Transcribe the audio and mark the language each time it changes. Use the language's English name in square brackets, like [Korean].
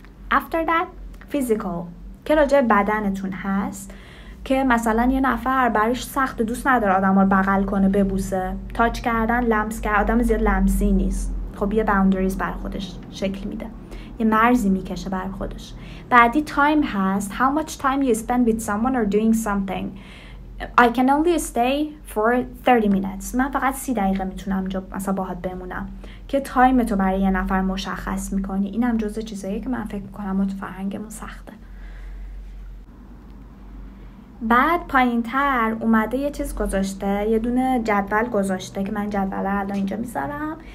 [English] After that physical، [Persian] که راجع بدنتون هست، که مثلا یه نفر برش سخت، دوست نداره آدم رو بغل کنه، ببوسه، تاچ کردن، لمس کردن، آدم زیاد لمسی نیست، خب یه باوندریز بر خودش شکل میده، یه مرزی میکشه بر خودش. بعدی تایم هست، [English] how much time you spend with someone or doing something. I can only stay for 30 minutes. [Persian] من فقط 30 دقیقه میتونم مثلا باهات بمونم. که تایم تو برای یه نفر مشخص میکنی، اینم جزء چیزاییه که من فکر میکنم تو فرهنگمون سخته. بعد پایین تر اومده یه چیز گذاشته، یه دونه جدول گذاشته که من جدول رو الان اینجا میذارم.